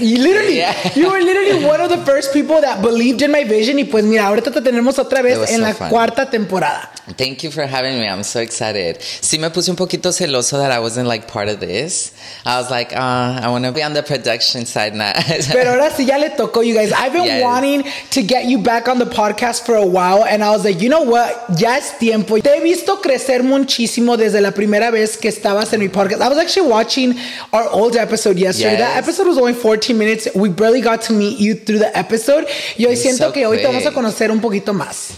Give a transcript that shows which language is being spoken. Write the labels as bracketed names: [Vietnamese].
[English] You literally, you were literally one of the first people that believed in my vision. [Spanish] Y pues mira, ahorita te tenemos otra vez en la cuarta temporada. [English] Thank you for having me. I'm so excited. [Spanish] Sí, me puse un poquito celoso [English] that I wasn't like part of this. I was like, I want to be on the production side now. [Spanish] Pero ahora sí ya le tocó, [English] you guys. I've been wanting to get you back on the podcast for a while. And I was like, you know what? [Spanish] Ya es tiempo. Te he visto crecer muchísimo desde la primera vez que estabas en mi podcast. [English] I was actually watching our old episode yesterday. Yes. That episode was only 14 minutes. We barely got to meet you through the episode. [Spanish] Y hoy siento que hoy te vamos a conocer un poquito más.